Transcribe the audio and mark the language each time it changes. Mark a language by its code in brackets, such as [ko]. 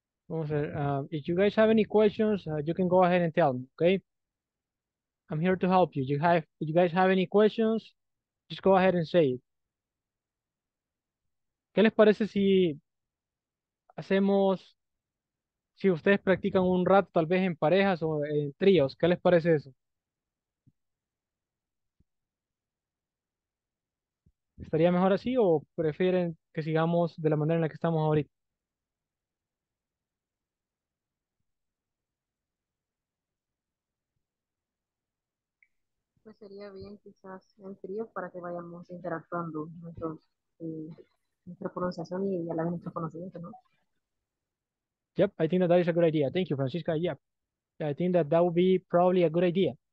[en] If you guys have any questions, you can go ahead and tell me, okay? I'm here to help you. If you guys have any questions, just go ahead and say it. [es] ¿Qué les parece si hacemos, si ustedes practican un rato, tal vez en parejas o en tríos? ¿Qué les parece eso? ¿Estaría mejor así o prefieren que sigamos de la manera en la que estamos ahorita? Sería bien quizás en trío para que vayamos interactuando nuestra pronunciación y a la vez nuestro conocimiento, ¿no? [en] Yep, I think that that is a good idea. Thank you, Francisca. Yep, I think that that would be probably a good idea.